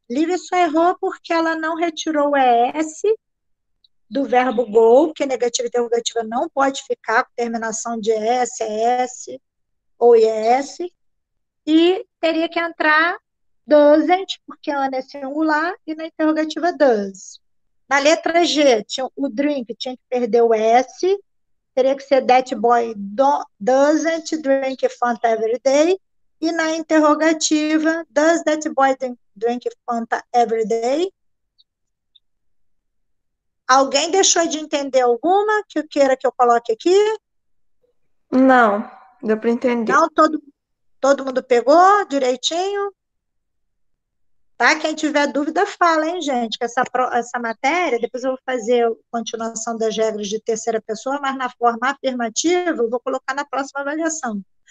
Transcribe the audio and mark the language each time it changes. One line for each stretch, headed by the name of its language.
Portuguese: Lívia só errou porque ela não retirou o ES do verbo go, que negativa e interrogativa não pode ficar com terminação de ES, ES ou IES. E teria que entrar doesn't, porque ela é singular, e na interrogativa does. Na letra G, tinha, o drink tinha que perder o S. Teria que ser
English: that boy doesn't drink Fanta every day.
Portuguese: E na interrogativa,
English: does that boy drink Fanta every day?
Portuguese: Alguém deixou de entender alguma que queira que eu coloque aqui? Não, deu para entender. Não, todo mundo pegou direitinho? Tá? Quem tiver dúvida, fala, hein, gente? Que essa matéria, depois eu vou fazer a continuação das regras de terceira pessoa, mas na forma afirmativa, eu vou colocar na próxima avaliação.